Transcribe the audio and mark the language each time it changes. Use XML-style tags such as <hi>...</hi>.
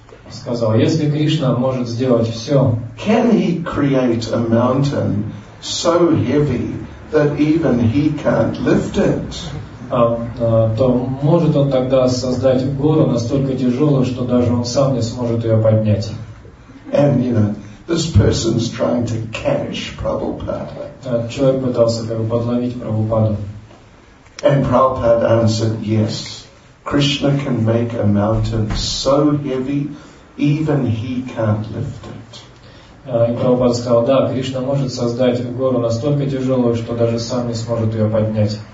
<ru>сказал, если Кришна может сделать все,</ru> <en>can he create a mountain so heavy that even he can't lift it?</en> <ru>То может он тогда создать гору настолько тяжелую, что даже он сам не сможет ее поднять?</ru> <en>And you know, this person's trying to catch Prabhupada.</en> <ru>Человек пытался как бы подловить Прабхупаду.</ru> <en>And Prabhupada answered, "Yes, Krishna can make a mountain so heavy, even he can't lift it."</en> <ru>И Прабхупада сказал, да, Кришна может создать гору настолько тяжелую, что даже сам не сможет ее поднять.</ru>